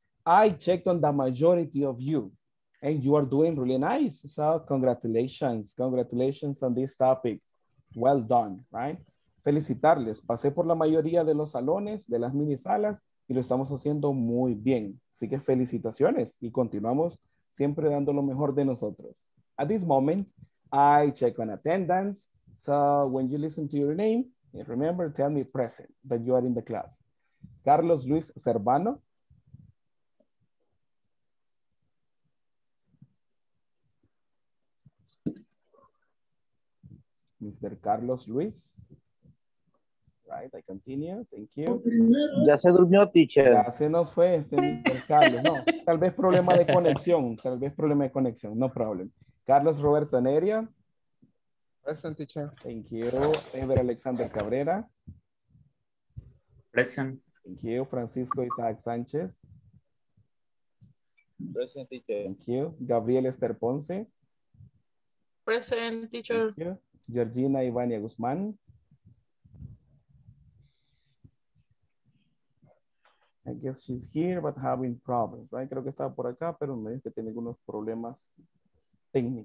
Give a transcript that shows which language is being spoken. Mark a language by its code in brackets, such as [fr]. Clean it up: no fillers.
[en] I checked on the majority of you and you are doing really nice. So congratulations on this topic. Well done, right? [es] Felicitarles, pasé por la mayoría de los salones, de las mini salas y lo estamos haciendo muy bien. Así que felicitaciones y continuamos siempre dando lo mejor de nosotros. [en] At this moment, I check on attendance. So when you listen to your name, remember, tell me present that you are in the class. Carlos Luis Cervano. Mr. Carlos Luis. Right, I continue. Thank you. [es] Ya se durmió, teacher. Ya se nos fue este Mr. Carlos. No, tal vez problema de conexión. Tal vez problema de conexión. [en] No problem. [es] Carlos Roberto Neria. [en] Present, teacher. Thank you. Ever Alexander Cabrera. Present. Thank you. Francisco Isaac Sánchez. Present, teacher. Thank you. Gabriel Esther Ponce. Present, teacher. Thank you. Georgina Ivania Guzmán. I guess she's here, but having problems, right? [es] Creo que estaba por acá, pero me dice que tiene algunos problemas técnicos.